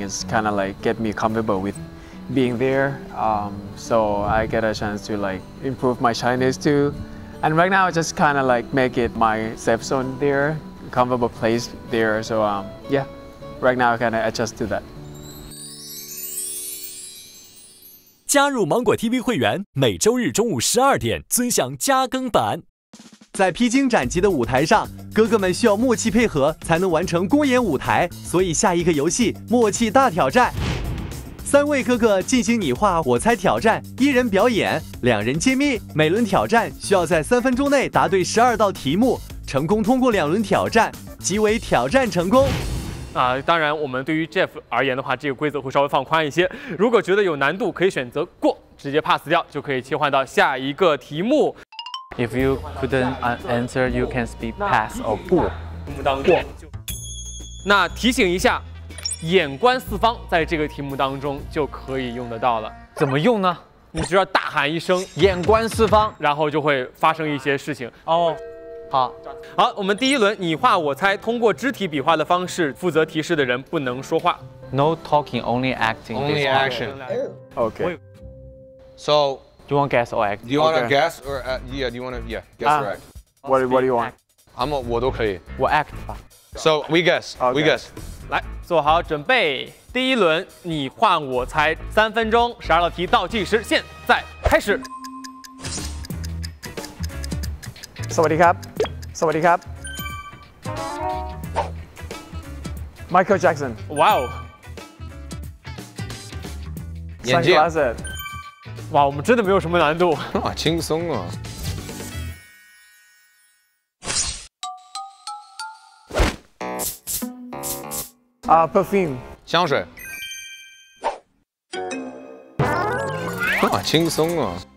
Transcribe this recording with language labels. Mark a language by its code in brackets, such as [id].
[en] It's kind of like get me comfortable with being there. So I get a chance to like improve my Chinese too. And right now I just kind of like make it my safe zone there. Comfortable place there, so right now I can adjust to that. [zh] 加入芒果 TV 会员，每周日中午12点，尊享加更版。在披荆斩棘的舞台上，哥哥们需要默契配合才能完成公演舞台，所以下一个游戏默契大挑战。三位哥哥进行你画我猜挑战，一人表演，两人揭秘。每轮挑战需要在三分钟内答对12道题目，成功通过两轮挑战即为挑战成功。啊，当然我们对于 Jeff 而言的话，这个规则会稍微放宽一些，如果觉得有难度可以选择过，直接 pass 掉，就可以切换到下一个题目。 [en] If you couldn't answer, you can speak pass or 过。 [zh] 过。那提醒一下，眼观四方，在这个题目当中就可以用得到了。怎么用呢？你只要大喊一声 “眼观四方”，然后就会发生一些事情。哦，好，好，我们第一轮你画我猜，通过肢体比划的方式，负责提示的人不能说话。 [en] No talking, only acting. Only action. Okay. So. Do you want to guess or act? Do you want to guess or yeah? Do you want to guess or act? What do you want? I'm a, [zh] 我都可以。我 act 吧。 [en] So we guess. Okay. We guess. [zh] 来，做好准备。第一轮你画我猜，三分钟，十二道题倒计时，现在开始。 [th] สวัสดีครับ สวัสดีครับ Michael Jackson. [en] Wow. Sunglasses. [zh] 哇，我们真的没有什么难度，哇，轻松啊！ [en] 啊、perfume [zh] 香水，哇，轻松啊！